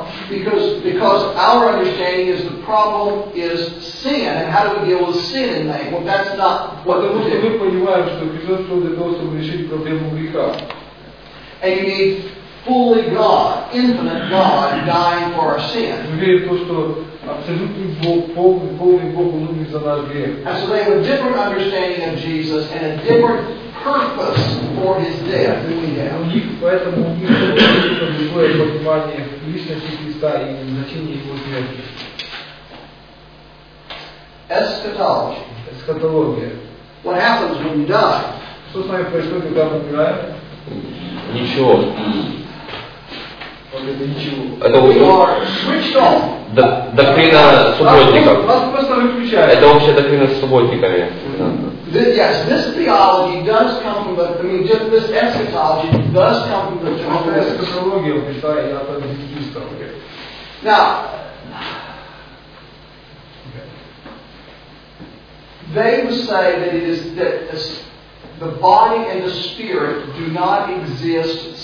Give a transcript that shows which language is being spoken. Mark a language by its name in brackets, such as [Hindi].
[English] Because our understanding is the problem is sin, and how do we deal with sin in name? Well, that's not what. [Russian] Потому что мы понимаем, что Христос для того, чтобы решить проблему греха. [English] And you need fully God, infinite God, dying for our sin. [Russian] Мы верим в то, что абсолютный Бог, полный Бог, он умер за наш грех. [English] And so they have a different understanding of Jesus and a different purpose for his death than we have. [Russian] У них поэтому у них абсолютно другое понимание личности Христа и значение его смерти. [English] Eschatology. [Russian] Эсхатология. [English] What happens when you die? [Russian] Что с нами происходит, когда мы умираем? Ничего. Это вообще доктрина субботников. Это вообще доктрина субботниками. [English] Yes, this theology does come from just this eschatology does come from the eschatology. Now, they would say that it is that the body and the spirit do not exist